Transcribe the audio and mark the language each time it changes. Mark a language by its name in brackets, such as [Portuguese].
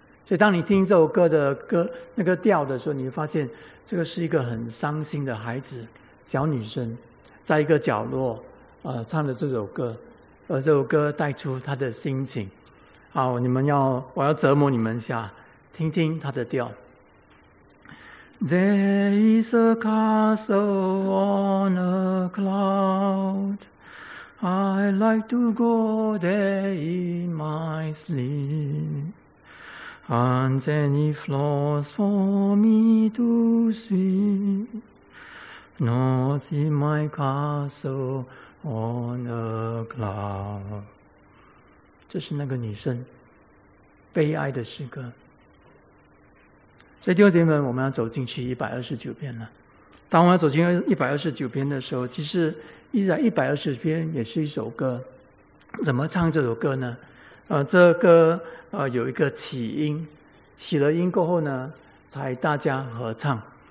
[Chinese] 所以当你听这首歌的歌那个调的时候，你会发现这个是一个很伤心的孩子，小女生在一个角落唱着这首歌，而这首歌带出她的心情。好，你们要，我要折磨你们一下，听听她的调。 [English] There is a castle on a cloud. I like to go there in my sleep. Aren't any floors for me to sleep? Not in my castle on a cloud. [Chinese] 这是那个女生悲哀的诗歌。所以弟兄姐妹们，我们要走进去129篇了。当我们要走进129篇的时候，其实120篇也是一首歌。怎么唱这首歌呢？这歌有一个起音，起了音过后呢，才大家合唱。